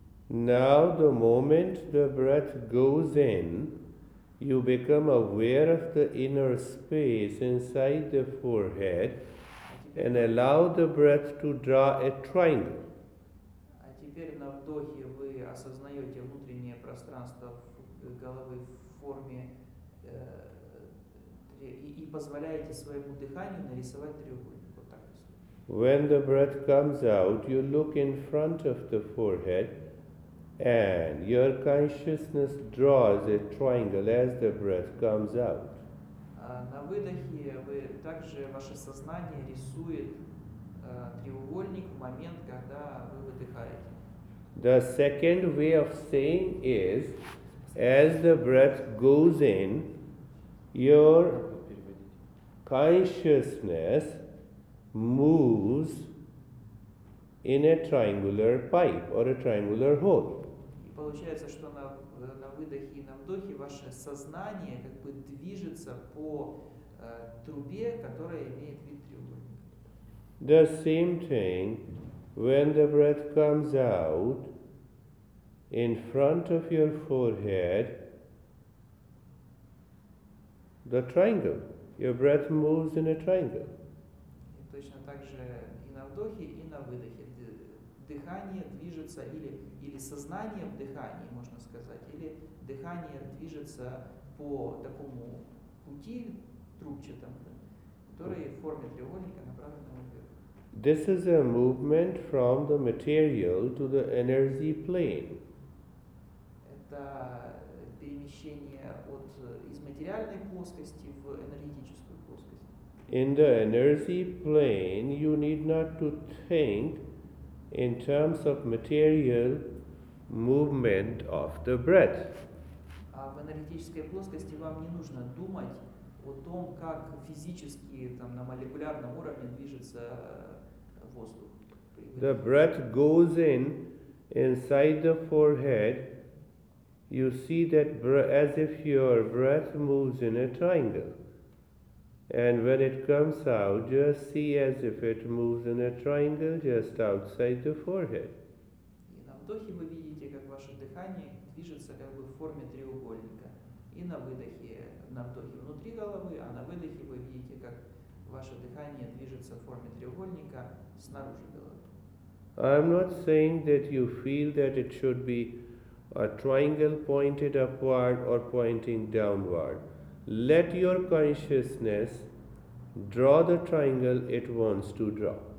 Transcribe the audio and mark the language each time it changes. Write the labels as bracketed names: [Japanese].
[English] Now, the moment the breath goes in, you become aware of the inner space inside the forehead and allow the breath to draw a triangle. [Russian] А теперь на вдохе вы осознаете внутреннее пространство головы в форме и позволяете своему дыханию нарисовать треугольник. Вот так. [English] When the breath comes out, you look in front of the forehead. And your consciousness draws a triangle as the breath comes out. [Russian] На выдохе вы также ваше сознание рисует треугольник в момент, когда вы выдыхаете. [English] The second way of saying is, as the breath goes in, your consciousness moves in a triangular pipe or a triangular hole. [Russian] Получается, что на выдохе и на вдохе ваше сознание как бы движется по трубе, которая имеет вид треугольника. [English] The same thing, when the breath comes out, in front of your forehead, the triangle, your breath moves in a triangle. [Russian] И точно так же и на вдохе, и на выдохе. Дыхание движется или сознание в дыхании, можно сказать, или дыхание движется по такому пути трубчатому, да, который в форме треугольника направлен вверх. [English] This is a movement from the material to the energy plane. [Russian] Это перемещение от из материальной плоскости в энергетическую плоскость. [English] In the energy plane, you need not to think in terms of material movement of the breath. [Russian] А в энергетической плоскости вам не нужно думать о том, как физически там на молекулярном уровне движется воздух. [English] The breath goes inside the forehead. You see that as if your breath moves in a triangle. And when it comes out, just see as if it moves in a triangle just outside the forehead. [Russian] И на вдохе вы видите, как ваше дыхание движется как бы в форме треугольника. И на выдохе, на вдохе внутри головы, а на выдохе вы видите, как ваше дыхание движется в форме треугольника снаружи головы. [English] I'm not saying that you feel that it should be a triangle pointed upward or pointing downward. Let your consciousness draw the triangle it wants to draw.